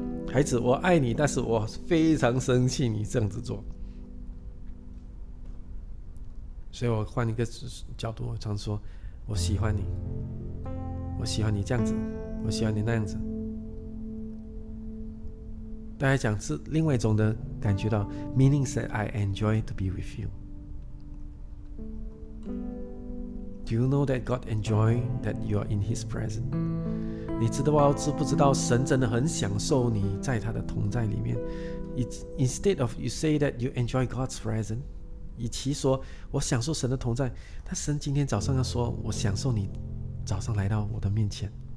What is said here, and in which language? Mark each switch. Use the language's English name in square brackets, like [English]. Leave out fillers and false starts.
[Chinese] 孩子，我爱你，但是我非常生气你这样子做。所以我换一个角度，我常说我喜欢你，我喜欢你这样子，我喜欢你那样子。大家讲是另外一种的感觉到 [English] meaning that I enjoy to be with you。 Do you know that God enjoys that you are in His presence? [Chinese] 你知道知不知道神真的很享受你在他的同在里面？ [English] Instead of you say that you enjoy God's presence, [Chinese] 与其说我享受神的同在，但神今天早上要说，我享受你早上来到我的面前。